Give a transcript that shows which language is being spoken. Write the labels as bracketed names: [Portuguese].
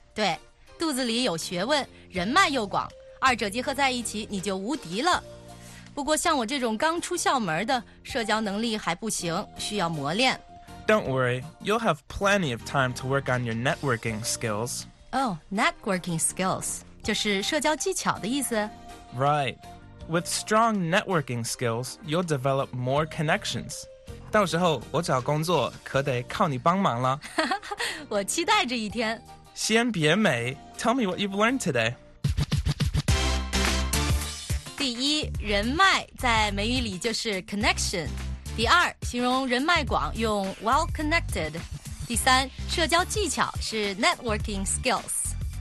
[Chinese] 对，肚子里有学问，人脉又广，二者结合在一起，你就无敌了。不过像我这种刚出校门的，社交能力还不行，需要磨练。 [English] Don't worry, you'll have plenty of time to work on your networking skills. [Chinese] Oh, networking skills, 就是社交技巧的意思。 [English] Right. With strong networking skills, you'll develop more connections. [Chinese] 到时候我找工作可得靠你帮忙了。我期待这一天。先别美， [English] tell me what you've learned today. [Chinese] 第一，人脉在美语里就是 connection。第二，形容人脉广用 well connected。第三，社交技巧是 networking skills。